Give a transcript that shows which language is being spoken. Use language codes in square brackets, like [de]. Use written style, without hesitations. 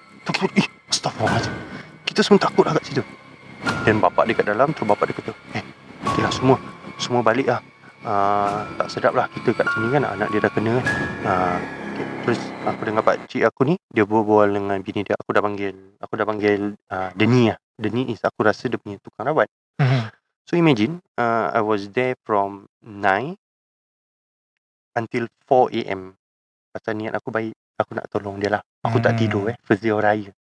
[ms] Terus, astagfirullahaladzim. Kita semua takut agak situ. Dan bapak dia kat dalam, terus bapak dia kata, okay lah, semua balik lah. Tak sedap lah kita kat sini kan, anak dia dah kena. Okay. Terus aku dengar pakcik aku ni, dia berbual dengan bini dia. Aku dah panggil Deni lah. Deni is aku rasa dia punya tukang rawat. [en] So imagine, I was there from 9 until 4 a.m. [ms] Pasal niat aku baik, aku nak tolong dia lah. Aku tak tidur, [en] first day of raya.